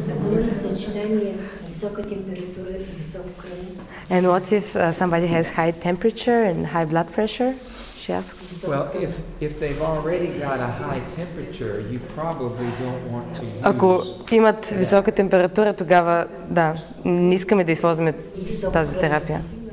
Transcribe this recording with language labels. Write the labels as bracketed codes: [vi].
[bg] Може съчетание висока температура и висока кръв. [en] And what if somebody has high temperature and high blood pressure? She asks. Well, if they've already got a high temperature, you probably don't want to. [bg] Ако имат висока температура, тогава да, не искаме да използваме тази терапия.